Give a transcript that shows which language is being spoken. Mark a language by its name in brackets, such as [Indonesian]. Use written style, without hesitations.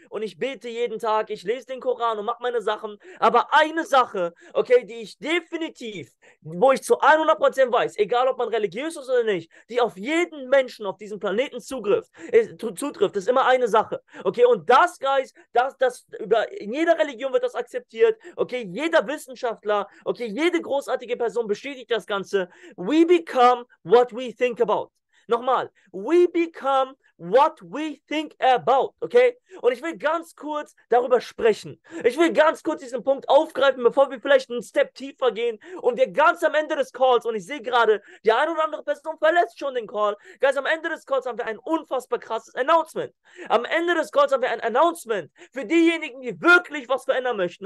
[German] Und ich bete jeden Tag, ich lese den Koran und mache meine Sachen. Aber eine Sache, okay, die ich definitiv, wo ich zu 100% weiß, egal ob man religiös ist oder nicht, die auf jeden Menschen auf diesem Planeten zutrifft, ist immer eine Sache. Okay, und das, Guys, das über in jeder Religion wird das akzeptiert, okay, jeder Wissenschaftler, okay, jede großartige Person bestätigt das Ganze. [English] We become what we think about. [German] Nochmal, [English] we become what we think about, okay? [German] Und ich will ganz kurz darüber sprechen. Ich will ganz kurz diesen Punkt aufgreifen, bevor wir vielleicht einen Step tiefer gehen und wir ganz am Ende des Calls, und ich sehe gerade, die eine oder andere Person verlässt schon den Call. Guys, am Ende des Calls haben wir ein unfassbar krasses Announcement. Am Ende des Calls haben wir ein Announcement für diejenigen, die wirklich was verändern möchten.